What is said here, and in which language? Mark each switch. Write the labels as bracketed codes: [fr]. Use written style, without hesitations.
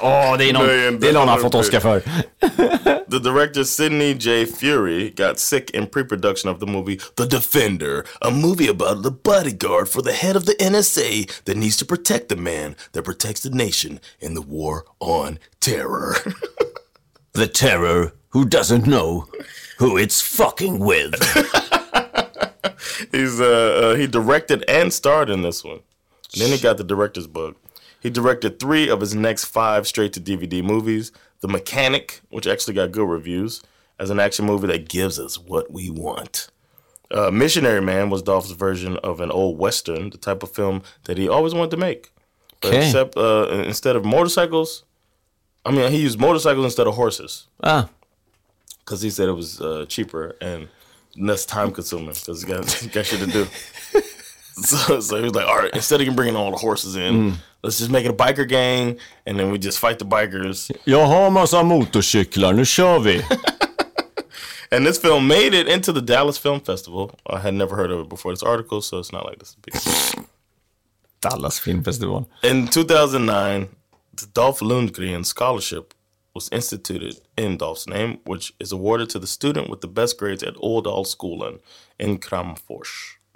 [sv] Åh, det är någon har fått Oscar för. [en] The director Sidney J. Fury got sick in pre-production of the movie The Defender, a movie about the bodyguard for the head of the NSA that needs to protect the man that protects the nation in the war on terror. The terror who doesn't know who it's fucking with. He directed and starred in this one. And then he got the director's bug. He directed three of his next five straight-to-DVD movies. The Mechanic, which actually got good reviews, as an action movie that gives us what we want. Missionary Man was Dolph's version of an old Western, the type of film that he always wanted to make. But okay. Except instead of motorcycles, I mean, he used motorcycles instead of horses. Ah. Because he said it was cheaper and... And that's time consuming because he's got shit to do. So he was like, all right, instead of bringing all the horses in, let's just make it a biker gang and then we just fight the bikers. [sv] Jag har massa motorcyklar, nu kör vi. [en] And this film made it into the Dallas Film Festival. I had never heard of it before this article, so it's not like this. Dallas Film Festival. In 2009, the Dolph Lundgren Scholarship was instituted in Dolph's name, which is awarded to the student with the best grades at Ådalsskolan in Kramfors.